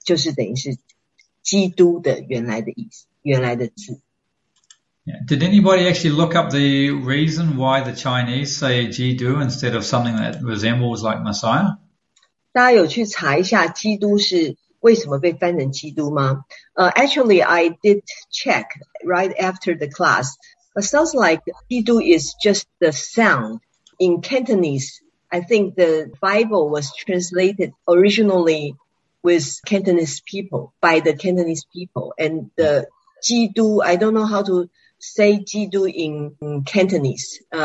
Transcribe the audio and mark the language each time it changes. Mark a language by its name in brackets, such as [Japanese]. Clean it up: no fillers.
[Chinese] 好，那这个高字呢，在希伯来文就是玛莎，玛莎是这个是动词，然后从玛莎就变成了名词，就是弥赛亚，也就是所说的弥赛亚，玛莎。那弥赛亚就是等于是基督的原来的意思。 [English] Yeah. Did anybody actually look up the reason why the Chinese say Jidu instead of something that resembles like Messiah? [Chinese] 大家有去查一下基督是为什么被翻成基督吗? [English] Actually, I did check right after the class. It sounds like Jidu is just the sound in Cantonese. I think the Bible was translated originally with Cantonese people, by the Cantonese people, and the Jidu, I don't know how to say Jidu in Cantonese.